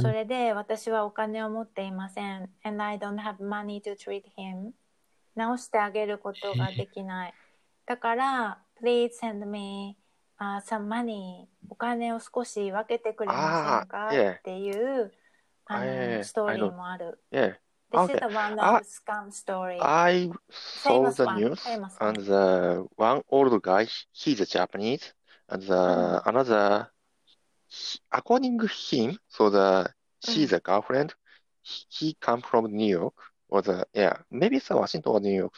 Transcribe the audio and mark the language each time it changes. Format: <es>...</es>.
<ja>それで私はお金を持っていません。</ja> <en>And I don't have money to treat him.</en> <ja>治してあげることができない。だから、</ja> <en>Please send me、some money.</en> <ja>お金を少し分けてくれませんか、</ja> <en>ah, yeah.</en> <ja>っていう、ストーリーもある。</ja> <en>Yeah. This、 okay. is one of the scam story. I saw the news and the one old guy, he's a Japanese. And the、mm. another, according him, so the, she's、mm. a girlfriend. He come from New York. Or the, yeah, maybe it's Washington or New York.</en>